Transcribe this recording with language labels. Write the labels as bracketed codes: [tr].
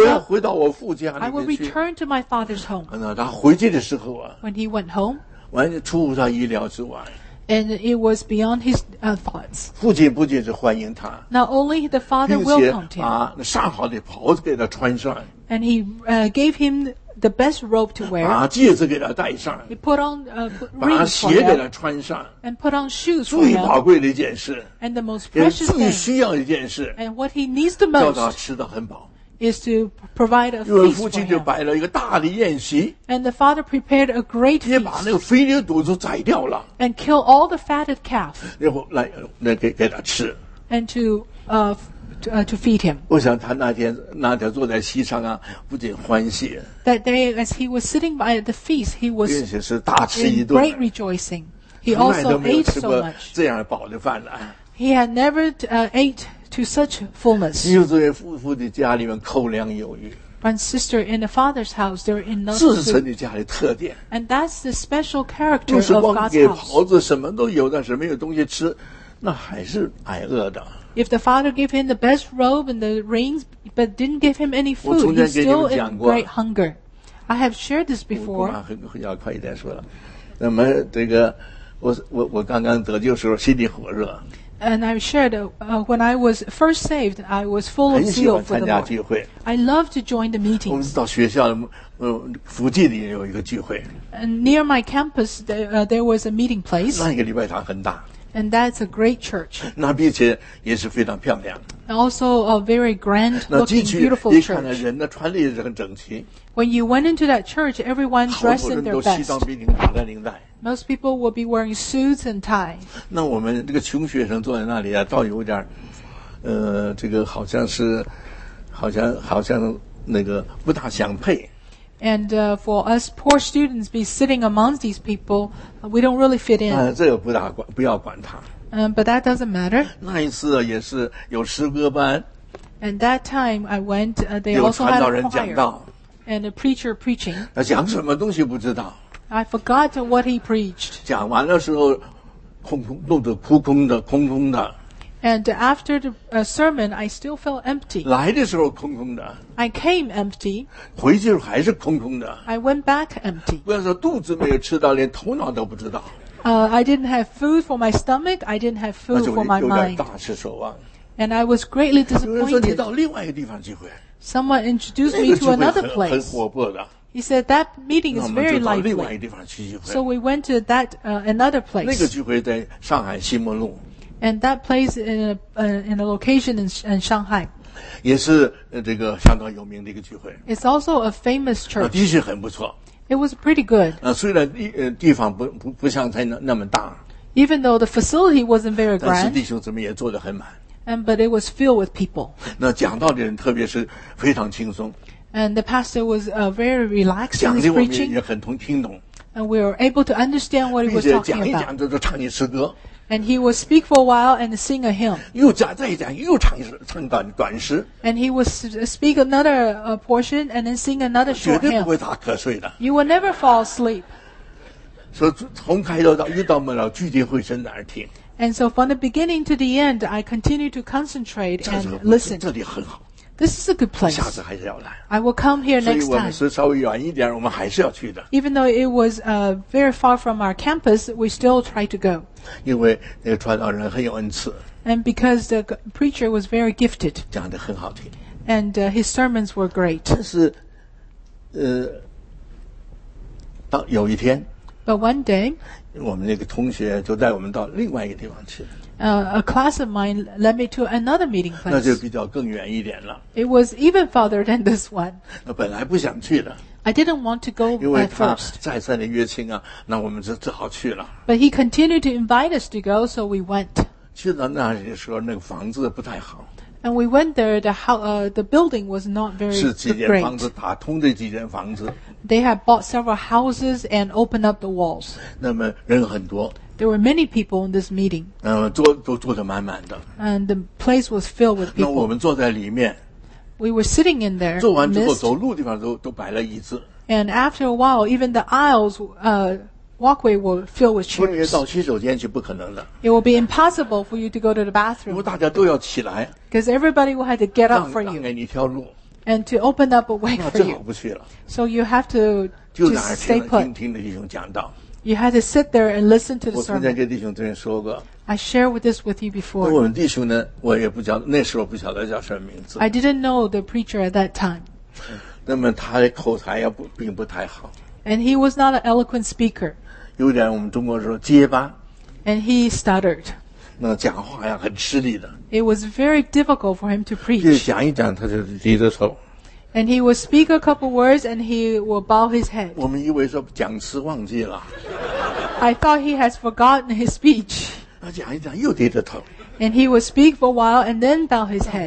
[zh] 我要回到我父家里面去。 [en] I will return to my father's home. [zh] 那他回去的时候啊。 [en] When he went home. [zh] 完全出乎他意料之外。 [en] And it was beyond his thoughts. [zh] 父亲不仅是欢迎他。 [en] Not only the father welcomed him. [zh] 并且把上好的袍子给他穿上。 [en] And he gave him the best robe to wear. [zh] 把戒指给他戴上。 [en] He put on rings for him. [zh] 把鞋给他穿上。 [en] And put on shoes for him. [zh] 最宝贵的一件事。 [en] And the most precious thing. [zh] 也最需要的一件事。 [en] And what he needs the most. [zh] 叫他吃得很饱。 [en] Is to provide a feast for him. [zh] 因为父亲就摆了一个大的宴席。 [en] And the father prepared a great feast. [zh] 也把那个肥牛犊子宰掉了。 [en] And kill all the fatted calf. [zh] 然后来给他吃。 [en] And to feed him. [zh] 我想他那天坐在席上啊，不仅欢喜。 [en] That day, as he was sitting by the feast, he was in great rejoicing. He also ate so much. [zh] 这样饱的饭呢。 [en] He had never ate to such fullness. [zh] 又作为父父的家里面口粮有余。 [en] But sister, in the father's house, there are enough. [zh] 这是神的家的特点。 [en] And that's the special character of God's house. [zh] 就是光给袍子什么都有，但是没有东西吃，那还是挨饿的。 [en] If the father gave him the best robe and the rings, but didn't give him any food, he's still in great hunger. I have shared this before. [zh] 我不管，要快一点说了。那么这个，我刚刚得救时候心里火热。 [en] And I shared when I was first saved, I was full of zeal for the Lord. [zh] 很喜欢参加聚会。 [en] I love to join the meetings. [zh] 我们到学校，附近里有一个聚会。 [en] And near my campus, there was a meeting place. [zh] 那一个礼拜堂很大。 [en] And that's a great church. [zh] 那并且也是非常漂亮。 [en] Also a very grand looking beautiful church. [zh] 那进去一看呢，人呢穿的也是很整齐。 [en] When you went into that church, everyone dressed in their best. [zh] 好多人都西装笔挺，打着领带。 [en] Most people will be wearing suits and ties. [zh] 那我们这个穷学生坐在那里啊，倒有点，这个好像那个不大相配。 [en] And for us poor students be sitting amongst these people, we don't really fit in. [zh] 这个不要管他。 [en] But that doesn't matter. [zh] 那一次也是有诗歌班。 [en] And that time I went, they also had a choir. And a preacher preaching. [zh] 讲什么东西不知道。 [en] I forgot what he preached. [zh] 讲完的时候，肚子空空的。 [en] And after the sermon, I still felt empty. [zh] 来的时候空空的。 [en] I came empty. [zh] 回去还是空空的。 [en] I went back empty. [zh] 不要说肚子没有吃到，连头脑都不知道。 [en] I didn't have food for my stomach. I didn't have food for my mind. [zh] 那就有点大失所望。 [en] And I was greatly disappointed. [zh] 有人说你到另外一个地方聚会。 [en] Someone introduced me to another place. [zh] 很活泼的。 [en] He said that meeting is very lively. [zh] 那我们就到另外一个地方去聚会。 [en] So we went to that another place. [zh] 那个聚会在上海西门路。 [en] And that place in a location in Shanghai. [zh] 也是这个相当有名的一个聚会。 [en] It's also a famous church. [zh] 的确很不错。 [en] It was pretty good. [zh] 虽然地方不像在那么大。 [en] Even though the facility wasn't very grand. [zh] 但是弟兄姊妹也坐得很满。 [en] And but it was filled with people. [zh] 那讲道的人特别是非常轻松。 [en] And the pastor was very relaxed in his preaching. [zh] 讲的我们也很听懂。 [en] And we were able to understand what he was talking about. [zh] 并且讲一讲，就是唱一诗歌。 [en] And he would speak for a while and sing a hymn. [zh] 又讲再讲，又唱短诗。 [en] And he would speak another portion and then sing another short hymn. [zh] 绝对不会打瞌睡的。 [en] You would never fall asleep. [zh] 所以从开头到一到末了，聚精会神在那儿听。 [en] And so from the beginning to the end, I continue to concentrate and listen. [zh] 这里很好。 [en] This is a good place. [zh] 下次还是要来。 [en] I will come here next time. [zh] 所以我们是稍微远一点，我们还是要去的。 [en] Even though it was very far from our campus, we still try to go. [zh] 因为那个传道人很有恩赐。 [en] And because the preacher was very gifted. [zh] 讲得很好听。 [en] And his sermons were great. [zh] 但是，当有一天。 [en] But one day. [zh] 我们那个同学就带我们到另外一个地方去了。 [en] A class of mine led me to another meeting place. [zh] 那就比较更远一点了。 [en] It was even farther than this one. [zh] 那本来不想去的。 [en] I didn't want to go at first. [zh] 因为他再三的约亲啊，那我们就只好去了。 [en] But he continued to invite us to go, so we went. [zh] 去到那里的时候，那个房子不太好。 [en] And we went there, the building was not very great. [zh] 是几间房子打通的几间房子。 [en] They had bought several houses and opened up the walls. [zh] 那么人很多。 [en] There were many people in this meeting. [zh] 坐得满满的。 [en] And the place was filled with people. [zh] 那我们坐在里面。 [en] We were sitting in there. [zh] 坐完之后，走路的地方都摆了椅子。 [en] And after a while, even the aisles, walkway were filled with chairs. [zh] 不然到洗手间去不可能的。 [en] It will be impossible for you to go to the bathroom. [zh] 因为大家都要起来。 [en] Because everybody will have to get up for you. [zh] 让给你一条路。 [en] And to open up a way for you. [zh] 那最好不去了。 [en] So you have to just stay put. [zh] 就在那儿听的弟兄讲道。 [en] You had to sit there and listen to the sermon. [zh] 我曾经跟弟兄这边说过。 [en] I shared this with you before. [zh] 那我们弟兄呢？我也不叫，那时候不晓得叫什么名字。 [en] I didn't know the preacher at that time. [zh] 那么他的口才也不并不太好。 [en] And he was not an eloquent speaker. [zh] 有点我们中国说结巴。 [en] And he stuttered. [zh] 那讲话呀很吃力的。 [en] It was very difficult for him to preach. [zh] 就讲一讲，他就低着头。 [en] And he will speak a couple words and he will bow his head. [zh] 我们以为说讲词忘记了。 [en] I thought he has forgotten his speech. [zh] 那讲一讲又低着头。 [en] And he will speak for a while and then bow his head.